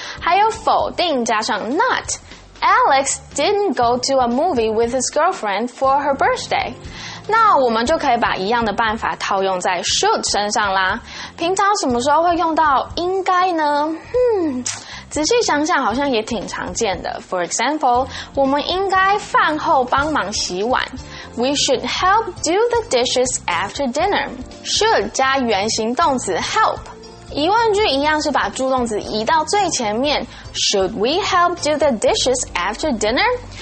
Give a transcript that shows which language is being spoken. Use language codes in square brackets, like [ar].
[zh] 还有否定加上 [en] not. Alex didn't go to a movie with his girlfriend for her birthday. [zh] 那我们就可以把一样的办法套用在 should 身上啦。平常什么时候会用到应该呢？仔细想想好像也挺常见的。 [en] For example, [zh] 我们应该饭后帮忙洗碗。 [en] We should help do the dishes after dinner. [zh] Should 加原形动词 help. 疑问句一样是把助动词移到最前面。 [en] Should we help do the dishes after dinner?